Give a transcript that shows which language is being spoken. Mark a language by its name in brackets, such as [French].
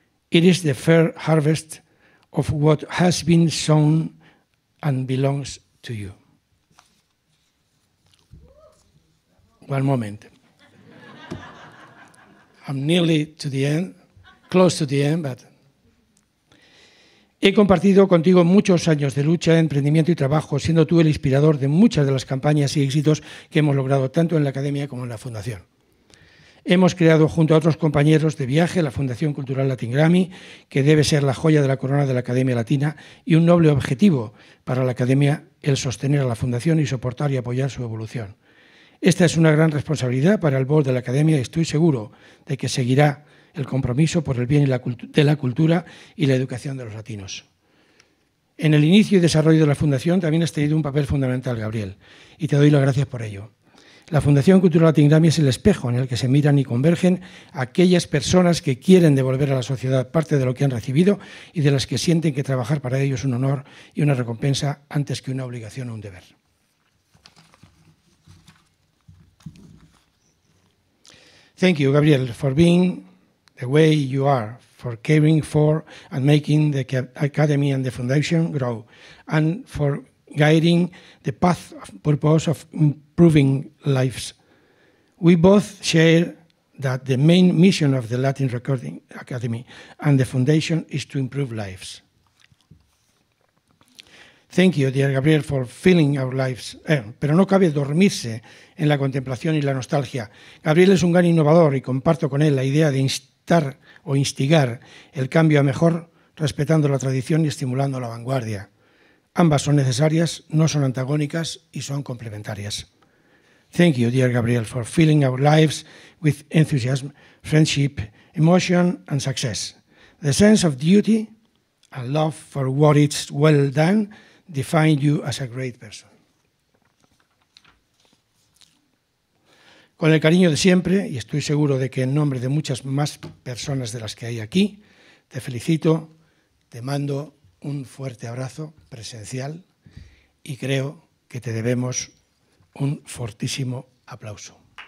[English] It is the fair harvest of what has been sown and belongs to you. One moment. I'm nearly to the end, close to the end, but... [Spanish] He compartido contigo muchos años de lucha, emprendimiento y trabajo, siendo tú el inspirador de muchas de las campañas y éxitos que hemos logrado tanto en la Academia como en la Fundación. Hemos creado junto a otros compañeros de viaje la Fundación Cultural Latin Grammy, que debe ser la joya de la corona de la Academia Latina y un noble objetivo para la Academia el sostener a la Fundación y soportar y apoyar su evolución. Esta es una gran responsabilidad para el board de la Academia y estoy seguro de que seguirá el compromiso por el bien de la cultura y la educación de los latinos. En el inicio y desarrollo de la Fundación también has tenido un papel fundamental, Gabriel, y te doy las gracias por ello. La Fundación Cultural Latin Grammy es el espejo en el que se miran y convergen aquellas personas que quieren devolver a la sociedad parte de lo que han recibido y de las que sienten que trabajar para ellos es un honor y una recompensa antes que una obligación o un deber. [English] Thank you, Gabriel, for being the way you are, for caring for and making the Academy and the Foundation grow, and for guiding the path of purpose of improving lives. We both share that the main mission of the Latin Recording Academy and the Foundation is to improve lives. Thank you, dear Gabriel, for filling our lives. [Spanish] Pero no cabe dormirse en la contemplación y la nostalgia. Gabriel es un gran innovador y comparto con él la idea de instar o instigar el cambio a mejor, respetando la tradición y estimulando la vanguardia. Ambas son necesarias, no son antagónicas y son complementarias. [English] Thank you, dear Gabriel, for filling our lives with enthusiasm, friendship, emotion and success. The sense of duty and love for what is well done define you as a great person. [Spanish] Con el cariño de siempre, y estoy seguro de que en nombre de muchas más personas de las que hay aquí, te felicito, te mando un fuerte abrazo presencial y creo que te debemos un fortísimo aplauso.